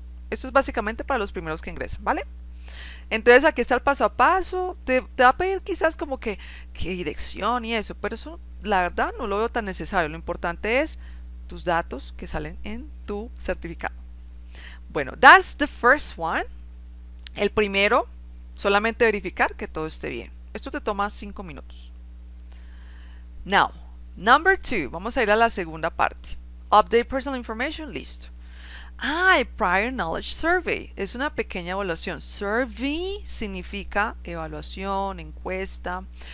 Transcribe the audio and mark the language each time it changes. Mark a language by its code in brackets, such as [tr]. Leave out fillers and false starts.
[es] Esto es básicamente para los primeros que ingresan, ¿vale? Entonces aquí está el paso a paso. Te va a pedir quizás como que qué dirección y eso, pero eso la verdad no lo veo tan necesario. Lo importante es tus datos que salen en tu certificado. Bueno, [en] that's the first one. [es] El primero, solamente verificar que todo esté bien. Esto te toma 5 minutos. [en] Now, number two, [es] vamos a ir a la segunda parte. [en] Update personal information, listo. Ah, el prior knowledge survey. [es] Es una pequeña evaluación. Survey significa evaluación, encuesta.